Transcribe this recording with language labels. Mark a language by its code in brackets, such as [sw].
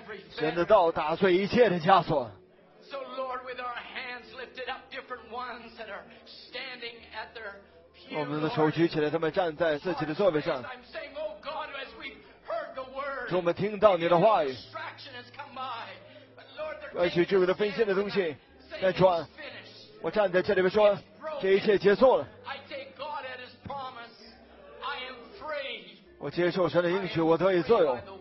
[zh] 神的道打碎一切的枷锁。 [en] So Lord, with our hands lifted up, different ones that are standing at their pew. [zh] 我们的手举起来，他们站在自己的座位上。 [en] I'm saying, Oh God, as we've heard the word, [zh] 主，我们听到你的话语。 [en] Distraction has come by, but Lord, they're. [zh] 外求智慧的分心的东西，在主，我站在这里边说，这一切结束了。 [en] I take God at His promise. I am free. [zh] 我接受神的应许，我得以自由。